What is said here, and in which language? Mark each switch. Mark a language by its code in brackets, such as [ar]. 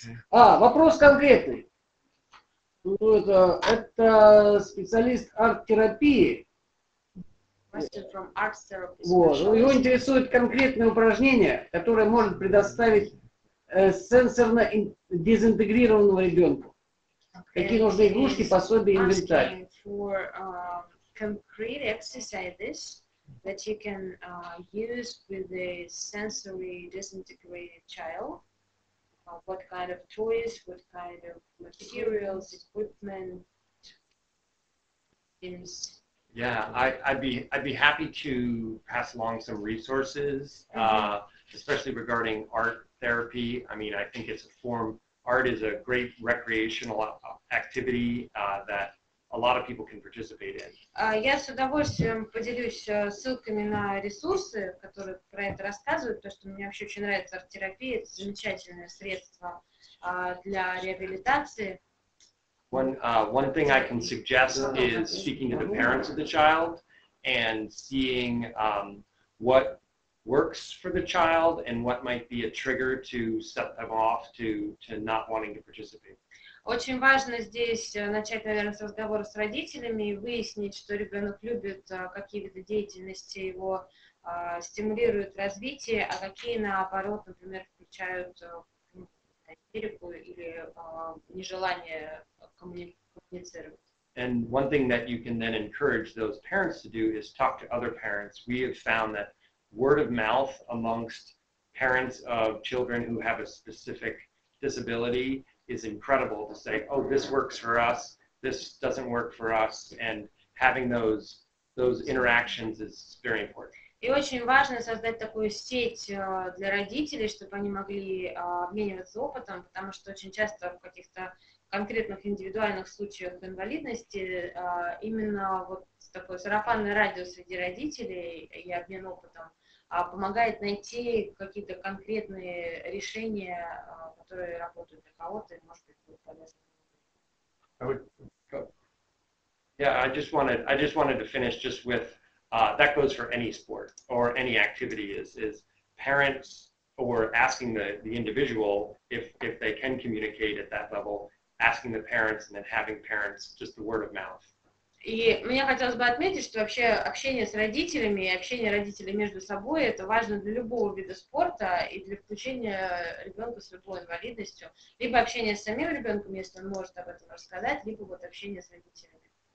[ru] Вопрос конкретный. Ну, это специалист арт-терапии. Вот. Его интересует конкретное упражнение, которое может предоставить сенсорно дезинтегрированного ребенку. Какие нужны игрушки, пособия, инвентарь. [en] Concrete exercises that you can use with a sensory disintegrated child. What kind of toys, what kind of materials, equipment is. Yeah, I'd be happy to pass along some resources, especially regarding art therapy. I mean, I think it's a form, art is a great recreational activity that a lot of people can participate in. [ru] Я с удовольствием поделюсь ссылками на ресурсы, которые про это рассказывают, потому что мне вообще очень нравится арт-терапия, это замечательное средство для реабилитации. [en] One thing I can suggest is speaking to the parents of the child and seeing what works for the child and what might be a trigger to set them off to not wanting to participate. [ru] Очень важно здесь начать, наверное, с разговора с родителями и выяснить, что ребенок любит, какие виды деятельности его стимулируют развитие, а какие, наоборот, например, включают истерику или нежелание коммуницировать. [en] And one thing that you can then encourage those parents to do is talk to other parents. We have found that word of mouth amongst parents of children who have a specific disability is incredible to say, oh, this works for us, this doesn't work for us, and having those interactions is very important. [ru] И очень важно создать такую сеть для родителей, чтобы они могли обмениваться опытом, потому что очень часто в каких-то конкретных индивидуальных случаях инвалидности именно вот такой сарафанный радио среди родителей и обмен опытом помогает найти какие-то конкретные решения, которые работают для кого-то, и, может быть, будут полезны. [en] I just wanted to finish just with that goes for any sport or any activity is parents or asking the individual if they can communicate at that level, asking the parents and then having parents just the word of mouth. [ru] И мне хотелось бы отметить, что вообще общение с родителями и общение родителей между собой это важно для любого вида спорта и для включения ребенка с любой инвалидностью. Либо общение с самим ребенком, если он может об этом рассказать, либо вот общение с родителями.